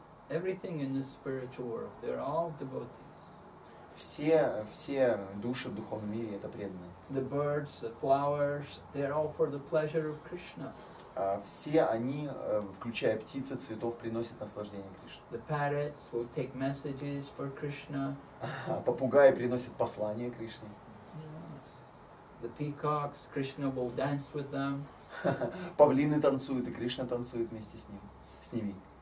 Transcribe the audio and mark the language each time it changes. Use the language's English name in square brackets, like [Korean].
[English] Everything in the spiritual world, they're all devotees. [Russian] Все души в духовном мире это преданные. [English] The birds, the flowers, they're all for the pleasure of Krishna. [Russian] Все они, включая птицы, цветов, приносят наслаждение Кришне. [English] The parrots will take messages for Krishna. [Russian] Попугаи приносят послание Кришне. [English] The peacocks, Krishna will dance with them. [Russian] Павлины танцуют, и Кришна танцует вместе с ним, с ними.